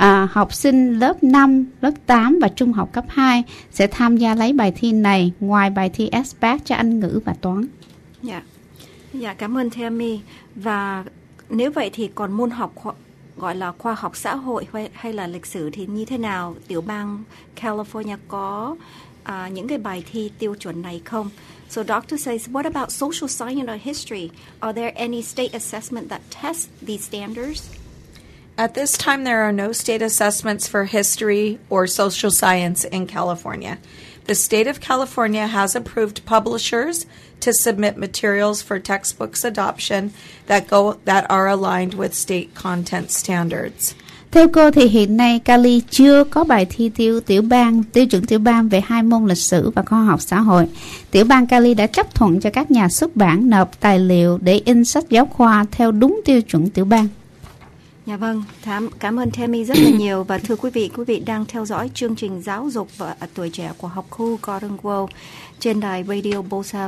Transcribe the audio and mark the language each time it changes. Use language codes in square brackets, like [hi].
[vi] Học sinh lớp 5, lớp 8 và trung học cấp 2 sẽ tham gia lấy bài thi này ngoài bài thi SBAC cho Anh ngữ và Toán. Dạ, dạ cảm ơn Tammy. Và nếu vậy thì còn môn học gọi là khoa học xã hội hay là lịch sử thì như thế nào? Tiểu bang California có những cái bài thi tiêu chuẩn này không? [en] So doctor says, what about social science or history? Are there any state assessment that test these standards? At this time, there are no state assessments for history or social science in California. The state of California has approved publishers to submit materials for textbooks adoption that are aligned with state content standards. [vi] Theo cô thì hiện nay Cali chưa có bài thi tiêu chuẩn tiểu bang về hai môn lịch sử và khoa học xã hội. Tiểu bang Cali đã chấp thuận cho các nhà xuất bản nộp tài liệu để in sách giáo khoa theo đúng tiêu chuẩn tiểu bang. Dạ vâng, cảm ơn Tammy rất là nhiều. Và thưa quý vị đang theo dõi chương trình giáo dục và tuổi trẻ của Học khu Garden World trên đài Radio Bosa.